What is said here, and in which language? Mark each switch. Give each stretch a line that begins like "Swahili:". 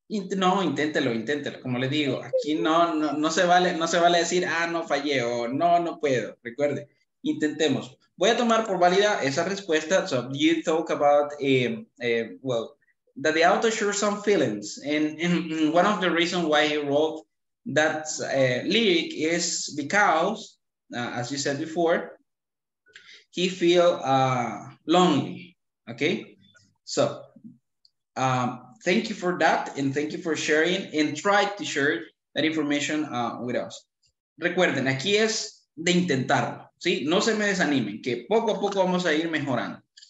Spanish: No, inténtelo, como le digo, aquí no se vale decir, no fallé, o no puedo. Recuerde, intentemos. Voy a tomar por válida esa respuesta.
English: So, you talk about, that the author shared some feelings. And one of the reasons why he wrote that lyric is because, as you said before, he feels lonely. Okay? So, thank you for that. And thank you for sharing. And try to share that information with us.
Spanish: Recuerden, aquí es de intentarlo. ¿Sí? No se me desanimen, que poco a poco vamos a ir mejorando.